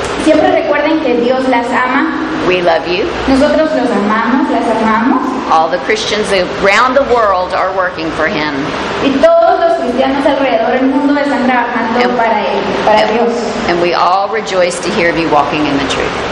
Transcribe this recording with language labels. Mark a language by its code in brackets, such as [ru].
[es] Siempre recuerden que Dios las ama. [en] We love you. [es] Nosotros los amamos, las amamos. [en] All the Christians around the world are working for Him. [es] Y todos los cristianos alrededor del mundo están trabajando para Él, para Dios. [en] And we all rejoice to hear of you walking in the truth.